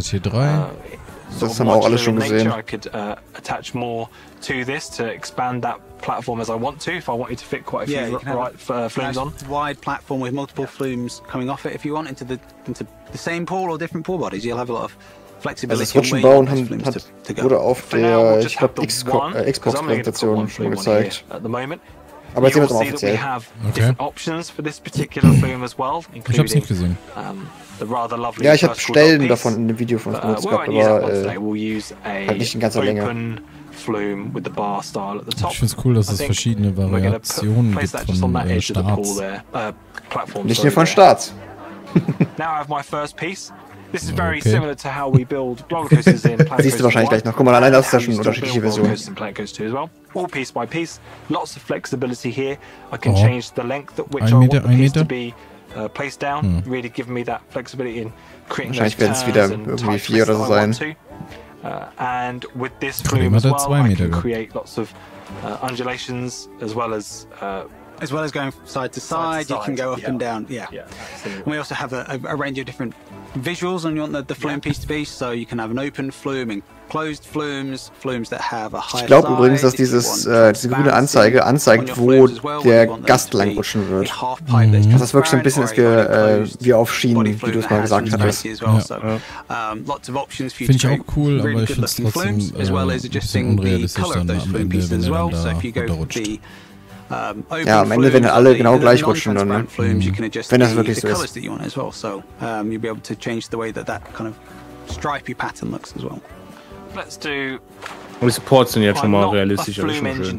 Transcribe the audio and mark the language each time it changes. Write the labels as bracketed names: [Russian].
[English] sort of modular in nature. I could attach more to this to expand that platform as I want to, if I wanted to fit quite a few flumes on. Wide platform with multiple flumes coming off it if you want into the same pool or different pool bodies, you'll have a lot of flexibility. [German] Also Switchen bauen wurde auf der, ich glaube, Xbox Präsentation schon gezeigt. Aber jetzt sehen wir es offiziell. Ich hab's nicht gesehen. Ja, ich habe Stellen davon in dem Video von uns benutzt gehabt, aber halt nicht in ganzer Länge. [English] Flume with the bar style at the top. [German] Ich finde es cool, dass es verschiedene Variationen gibt von Starts. Nicht nur von Starts. [English] Now I have my first piece. This is very similar to how we build roller coasters in Planet Coaster 1. [German] Siehst du wahrscheinlich gleich noch. Guck mal, allein das ist ja schon unterschiedliche Versionen. [English] All piece by piece. Lots of flexibility here. I can change the length at which I want the piece to be placed down. Really give me that flexibility in creating those turns. [German] Wahrscheinlich werden es wieder irgendwie 4 oder so sein. [English] And with this flume as well, I can create lots of undulations as well as going side to side. You can go up and down. Yeah. And we also have a range of different visuals on you want the flume piece to be. So you can have an open flume and closed flumes, flumes that have a higher. [German] Ich glaube übrigens, dass diese grüne Anzeige anzeigt, wo der Gast langrutschen wird. Das ist wirklich so ein bisschen wie auf Schienen, wie du es mal gesagt hast. Finde ich auch cool, aber ich finde es trotzdem unrealistisch, dann am Ende, wenn er dann da runterrutscht. Ja, am Ende, wenn alle genau gleich rutschen, dann, wenn das wirklich so ist. [English] You'll be able to change the way that kind of stripy pattern looks as well. Let's do. [German] Und die Supports sind jetzt schon mal realistisch, aber schon schön.